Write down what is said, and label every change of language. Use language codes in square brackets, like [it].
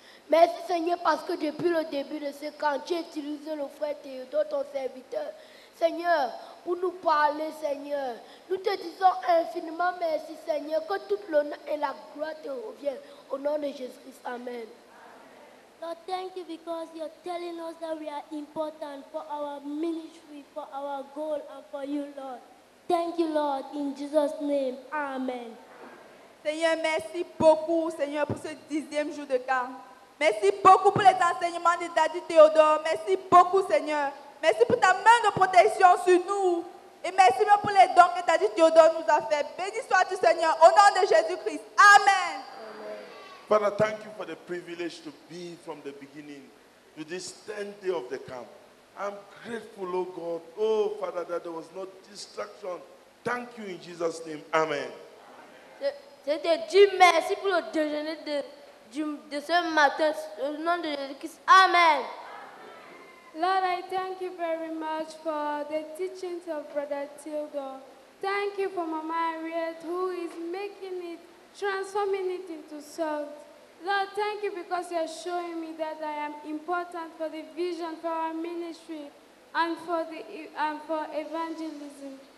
[fr] Merci, Seigneur, parce que depuis le début de ce camp, tu as utilisé le frère Théodore, ton serviteur, Seigneur, pour nous parler, Seigneur. Nous te disons infiniment merci, Seigneur, que toute l'honneur et la gloire te reviennent. Au nom de Jésus-Christ, amen. [en] Lord, thank you because you're telling us that we are important for our ministry, for our goal, and for you, Lord. Thank you, Lord, in Jesus' name. Amen. [fr] Seigneur, merci beaucoup, Seigneur, pour ce 10e jour de camp. Merci beaucoup pour les enseignements de Daddy Théodore. Merci beaucoup, Seigneur. Merci pour ta main de protection sur nous. Et merci même pour les dons que Daddy Théodore nous a fait. Béni sois-tu, Seigneur, au nom de Jésus-Christ. Amen. [en] Father, thank you for the privilege to be from the beginning to this 10th day of the camp. I'm grateful, oh God, oh Father, that there was no distraction. Thank you in Jesus' name. Amen. [fr] Je te merci pour le déjeuner de ce matin au nom de Jésus-Christ. Amen. [en] Lord, I thank you very much for the teachings of Brother Theodore. Thank you for Mama Harriet who is making it, transforming it into salt. Lord, thank you because you are showing me that I am important for the vision for our ministry and for evangelism.